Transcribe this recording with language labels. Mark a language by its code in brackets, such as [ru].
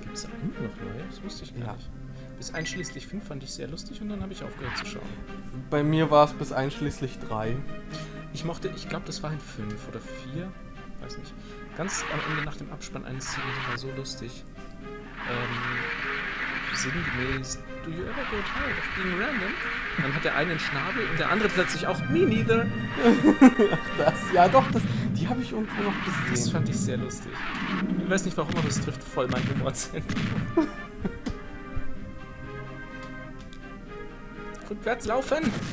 [de] Gibt's da eigentlich noch neue? Das wusste ich gar nicht. Bis einschließlich 5 fand ich sehr lustig und dann habe ich aufgehört zu schauen. Bei mir war es bis einschließlich 3. Ich mochte, ich glaube, das war ein 5 oder 4. Weiß nicht. Ganz am Ende nach dem Abspann eines Szenen war so lustig. [en] Sinngemäß, do you ever go tired of being random? [de] Dann hat der eine einen Schnabel und der andere plötzlich auch, [en] me neither. [de] Ach das, ja doch, das, die habe ich irgendwo noch gesehen. Das fand ich sehr lustig. Ich weiß nicht warum, aber es trifft voll mein Humorzentrum. Rückwärts laufen!